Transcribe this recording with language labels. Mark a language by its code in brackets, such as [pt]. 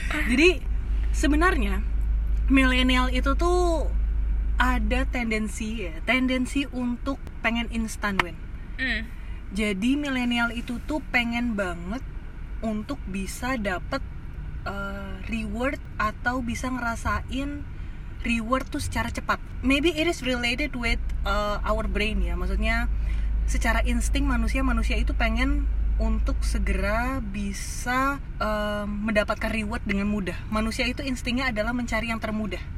[id] Jadi sebenarnya milenial itu tuh ada tendensi ya, tendensi untuk pengen instant win. Jadi milenial itu tuh pengen banget untuk bisa dapet reward atau bisa ngerasain reward tuh secara cepat. [en] Maybe it is related with our brain ya. [id] Maksudnya secara insting manusia itu pengen untuk segera bisa mendapatkan reward dengan mudah. Manusia itu instingnya adalah mencari yang termudah.